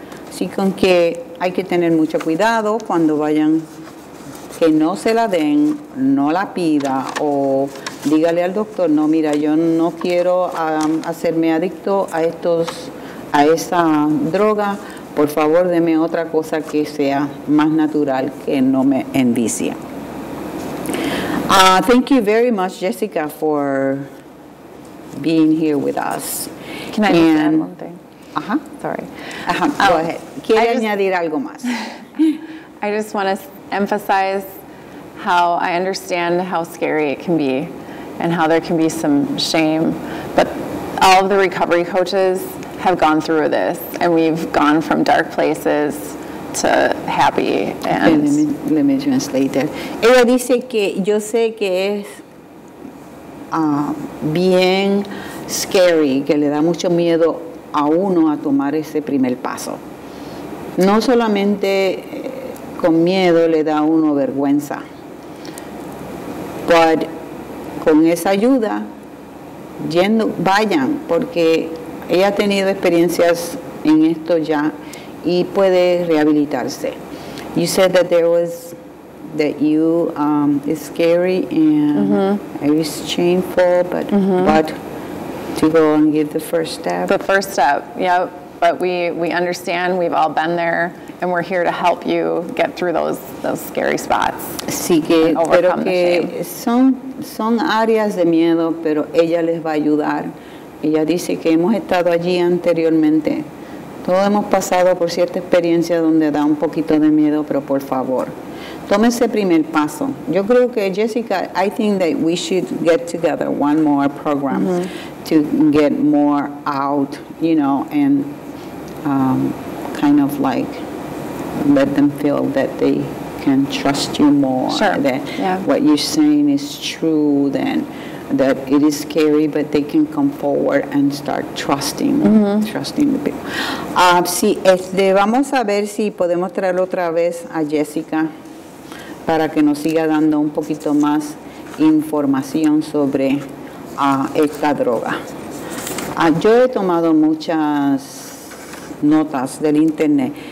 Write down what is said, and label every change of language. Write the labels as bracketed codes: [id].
[es] Así con que hay que tener mucho cuidado cuando vayan, que no se la den, no la pida o... Dígale al doctor, no, mira, yo no quiero hacerme adicto a esa droga. Por favor, deme otra cosa que sea más natural, que no me envicie. [en] Thank you very much, Jessica, for being here with us. Can I add one thing? Sorry. Go ahead. [es] ¿Quiere añadir algo más? [en] I just want to emphasize how I understand how scary it can be and how there can be some shame, but all of the recovery coaches have gone through this, and we've gone from dark places to happy. And okay, let me translate that. [es] Ella dice que yo sé que es bien scary, que le da mucho miedo a uno a tomar ese primer paso. No solamente con miedo le da a uno vergüenza, but con esa ayuda, yendo, vayan, porque ella ha tenido experiencias en esto ya y puede rehabilitarse. [en] You said that there was, that you, it's scary and it's shameful, but but to go and give the first step. The first step, yeah, but we understand, we've all been there, and we're here to help you get through those scary spots. [es] Sí, que, [en] and overcome [es] que [en] the shame. [es] Son áreas de miedo, pero ella les va a ayudar. Ella dice que hemos estado allí anteriormente. Todos hemos pasado por cierta experiencia donde da un poquito de miedo, pero por favor, tome ese primer paso. Yo creo que, [en] Jessica, I think that we should get together one more program to get more out, you know, and kind of like let them feel that they can trust you more. Sure. That yeah. what you're saying is true, then. That it is scary, but they can come forward and start trusting, trusting the people. [es] Sí, vamos a ver si podemos traer otra vez a Jessica para que nos siga dando un poquito más información sobre esta droga. Yo he tomado muchas notas del internet.